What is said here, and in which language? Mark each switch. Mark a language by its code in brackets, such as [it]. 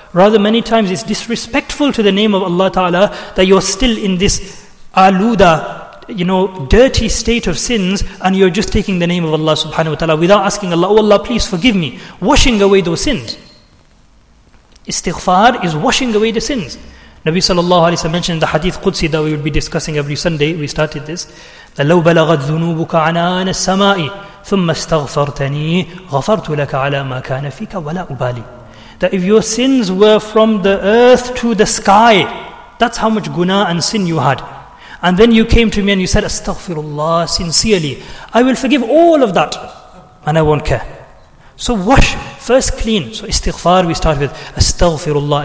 [en] Rather, many times it's disrespectful to the name of Allah Ta'ala that you're still in this aluda, you know, dirty state of sins, and you're just taking the name of Allah subhanahu wa ta'ala without asking Allah, oh Allah, please forgive me, washing away those sins. Istighfar is washing away the sins. Nabi sallallahu alayhi wa sallam mentioned the hadith Qudsi that we will be discussing every Sunday. We started this. That [ar] لو بلغت ذنوبك عنان السماء ثم استغفرتني غفرت لك على ما كان فيك ولا أبالي. [en] That if your sins were from the earth to the sky, that's how much guna and sin you had. And then you came to me and you said, Astaghfirullah, sincerely, I will forgive all of that and I won't care. So wash, first clean. So istighfar we start with. Astaghfirullah.